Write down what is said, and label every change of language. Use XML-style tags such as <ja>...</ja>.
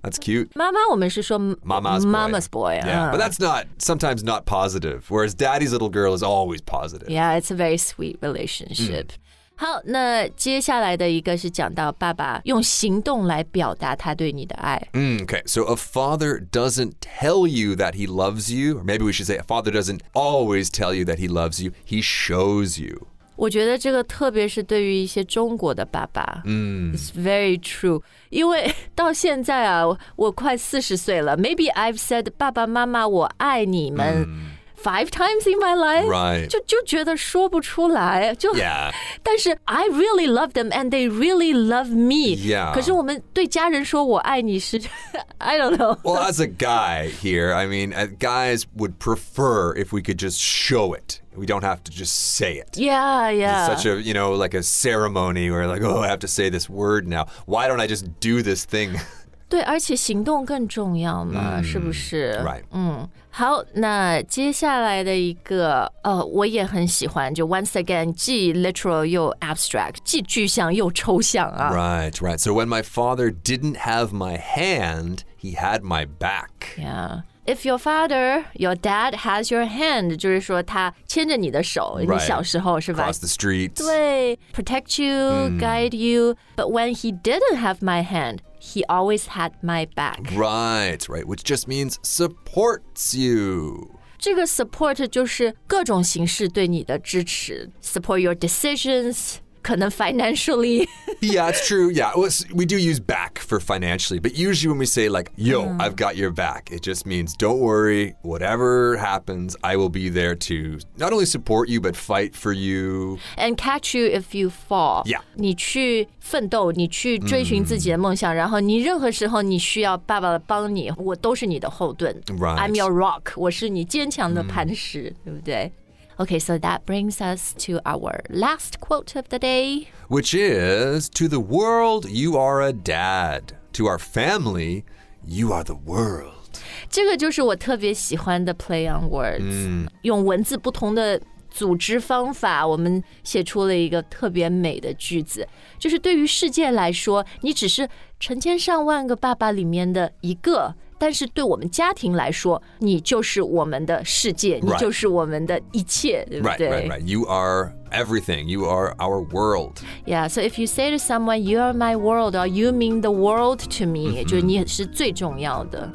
<en>That's cute.</en> <zh>妈妈我们是说</zh> <en>Mama's boy、yeah. But that's not sometimes not positive. Whereas daddy's little girl is always positive. Yeah, it's a very sweet relationship.、</en> <zh>好，那接下来的一个是讲到爸爸用行动来表达他对你的爱。</zh> <en>Okay, so a father doesn't tell you that he loves you, or maybe we should say a father doesn't always tell you that he loves you, he shows you.</en> <zh>我觉得这个特别是对于一些中国的爸爸、</zh> <en>It's very true</en> <zh>因为到现在啊我快四十岁了</zh> <en>Maybe I've said</en> <zh>爸爸妈妈我爱你们、</zh> <en>Five times in my life、 right.</en> <zh>就觉得说不出来就、</zh> <en>yeah.</en> <zh>但是</zh> <en>I really love them and they really love me、 yeah.</en> <zh>可是我们对家人说我爱你是</zh> <en>I don't know Well as a guy here I mean guys would prefer if we could just show itWe don't have to just say it. Yeah, yeah. It's such a, you know, like a ceremony where like, oh, I have to say this word now. Why don't I just do this thing?</en> <zh>对，而且行动更重要嘛，是不是？</zh> <en>Right.</en> <zh>好，那接下来的一个，我也很喜欢，就</zh> <en>once again,</en> <zh>既 literal 又 abstract, 既具象又抽象啊。</zh> <en>Right, right. So when my father didn't have my hand, he had my back. Yeah. If your father, your dad has your hand,</en> <zh>就是说他牵着你的手、</zh> <en>right.</en> <zh>你小时候是吧</zh> <en>Across the street.</en> <zh>对</zh> <en>protect you,、guide you. But when he didn't have my hand, he always had my back. Right, right. Which just means supports you. 这个 support 就是各种形式对你的支持 Support your decisions, 可能 financially. yeah, it's true. Yeah, we do use back for financially, but usually when we say like, yo,、I've got your back, it just means don't worry, whatever happens, I will be there to not only support you, but fight for you. And catch you if you fall. Yeah.</en> <zh>你去奋斗你去追寻自己的梦想、然后你任何时候你需要爸爸帮你我都是你的后盾。</zh> <en>Right. I'm your rock.</en> <zh>我是你坚强的磐石、对不对</zh> <en>Okay, so that brings us to our last quote of the day. Which is, to the world, you are a dad. To our family, you are the world.</en> <zh>这个就是我特别喜欢的 play on words.、用文字不同的组织方法我们写出了一个特别美的句子。就是对于世界来说你只是成千上万个爸爸里面的一个但是对我们家庭来说你就是我们的世界、</zh> <en>right.</en> <zh>你就是我们的一切对不对</zh> <en>right, right, right. You are everything. You are our world. Yeah, so if you say to someone, you are my world, or you mean the world to me,、</en> <zh>就你是最重要的。</zh>